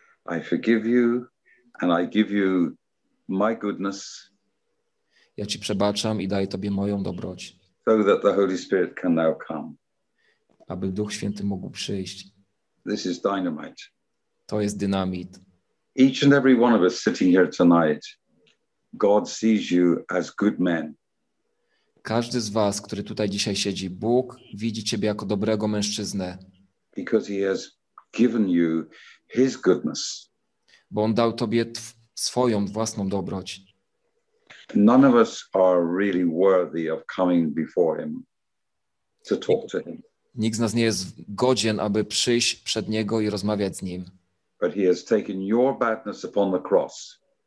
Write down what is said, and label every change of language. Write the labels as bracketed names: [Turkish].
[English] I forgive you and I give you my goodness. [Polish] Ja ci przebaczam i daję tobie moją dobroć. [English] So that the Holy Spirit can now come. [Polish] Aby Duch Święty mógł przyjść. [English] This is dynamite. [Polish] To jest dynamit. [English] Each and every one of us sitting here tonight, God sees you as good men. [Polish] Każdy z was, który tutaj dzisiaj siedzi, Bóg widzi ciebie jako dobrego mężczyznę. [English] Because he has given you his goodness. [Polish] Bo on dał tobie swoją własną dobroć. [English] None of us are really worthy of coming before him to talk to him. [Polish] Nikt z nas nie jest godzien, aby przyjść przed niego i rozmawiać z nim. [English] But he has taken your badness upon the cross.